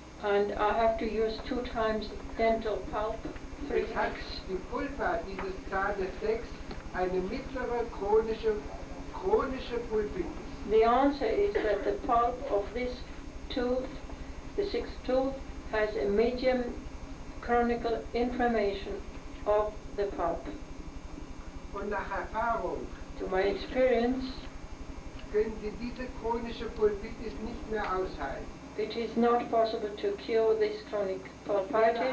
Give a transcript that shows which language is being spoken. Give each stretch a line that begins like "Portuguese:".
English: And I have to use two times dental pulp, 3x.
German: Die Pulpa dieses Zahne 6, eine mittlere chronische Pulpitis.
English: The answer is that the pulp of this tooth, the sixth tooth, has a medium chronic inflammation of the pulp.
German: Und nach Erfahrung,
English: to my experience,
German: können Sie diese chronische Pulpitis nicht mehr aushalten.
English: It is not possible to cure this chronic pulpitis.